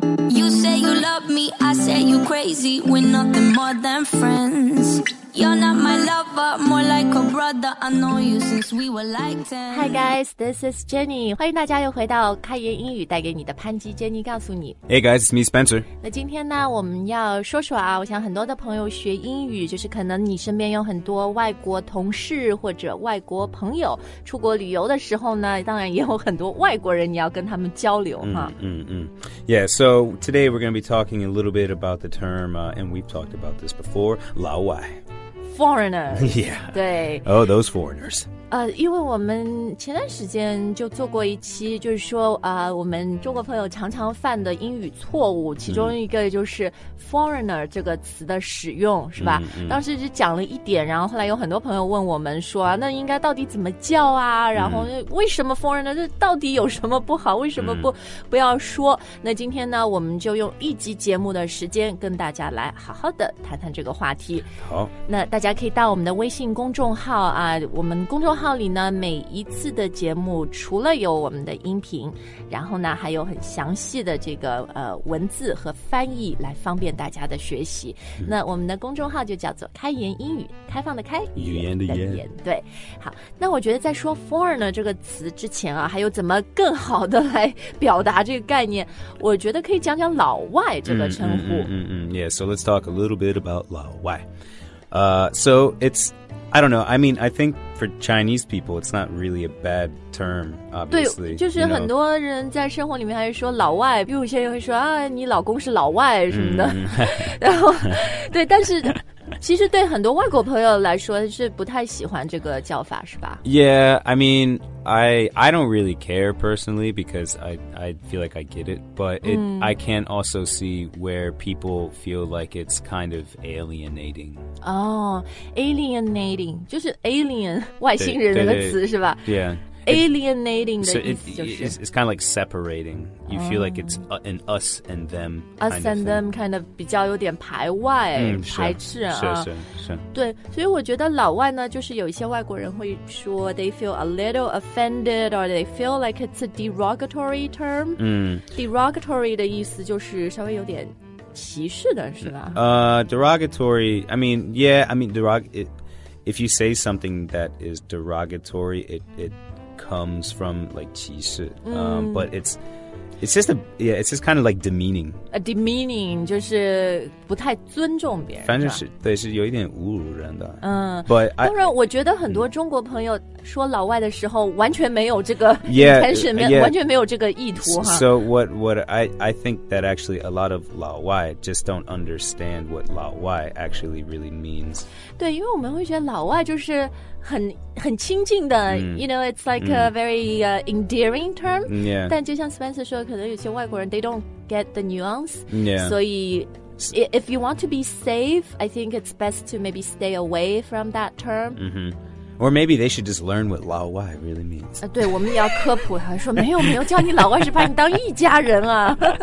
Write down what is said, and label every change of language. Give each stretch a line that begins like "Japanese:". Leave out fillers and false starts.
English: You say you love me, I say you crazy. We're nothing more than friends. You're not my lover, more like a brother. I know you since we were like 10. Hi guys, this is Jenny.
Chinese: 欢迎大家又回到开言英语，带给你的潘姬 Jenny 告诉你。
English: Hey guys, it's me Spencer.
Chinese: 那今天呢，我们要说说啊，我想很多的朋友学英语，就是可能你身边有很多外国同事或者外国朋友出国旅游的时候呢，当然也有很多外国人你要跟他们交流哈。
English: Yeah, so today we're going to be talking a little bit about the term, and we've talked about this before, 老外。 Foreigners. Yeah.
Chinese: 对。
English: Oh, those foreigners.
Chinese: 因为我们前段时间就做过一期，就是说我们中国朋友常常犯的英语错误，其中一个就是 foreigner 这个词的使用，是吧？当时就讲了一点，然后后来有很多朋友问我们说，那应该到底怎么叫啊？然后为什么 foreigner 这到底有什么不好？为什么不要说？那今天呢，我们就用一集节目的时间跟大家来好好的谈谈这个话题。好，那大家可以到我们的微信公众号啊，我们公众号里呢每一次的节目除了有我们的音频，然后呢还有很详细的这个文字和翻译来方便大家的学习。那我们的公众号就叫做开言英语，开放的开，语言的言。对，好，那我觉得在说 foreigner 这个词之前啊，还有怎么更好的来表达这个概念，我觉得可以讲讲老外这个称呼。
English: Yeah, so let's talk a little bit about 老外。 So it's, I don't know, I mean, I think for Chinese people, it's not really a bad term, obviously.
Chinese: 对，就是很多人在生活里面还是说老外，比如有些人会说啊，你老公是老外什么的。然后，对，但是其实对很多外国朋友来说是不太喜欢这个叫法，是吧？
English: Yeah, I mean, I don't really care personally because I feel like I get it, but it, I can also see where people feel like it's kind of alienating.
Chinese: Oh, alienating, 就是 alien, 外星人的词是吧？
English: Yeah.
Chinese: Alienating 的意思就是
English: it's kind of like separating. You feel like it's an us and them. Us and them kind of
Chinese: 比较有点排外，排斥啊。是。对，所以我觉得老外呢，就是有一些外国人会说
English: they feel a little offended or they feel like it's a derogatory term.
Chinese: Derogatory 的意思就是稍微有点歧视的，是吧？
English: Derogatory, I mean, yeah, I mean, if you say something that is derogatory, it comes from like 歧视 but it's just a yeah it's just kind of like demeaning a demeaning
Chinese: 就是不太尊重别人反正是对是有一点侮辱人的 but 当然我觉得很多中国朋友说老外的时候完全没有这个 完全没有这个意图
English: so what I think that actually a lot of 老外 just don't understand what 老外 actually really means
Chinese: 对因为我们会觉得老外就是很亲近的
English: you know, it's like a very endearing term. Yeah.
Chinese: 但就像 Spencer 说，可能有些外国人
English: they don't get the nuance. Yeah.
Chinese: 所以
English: if you want to be safe, I think it's best to maybe stay away from that term. Or maybe they should just learn what 老外 really means.
Chinese: 对，我们也要科普他说没有没有叫你老外是把你当一家人啊。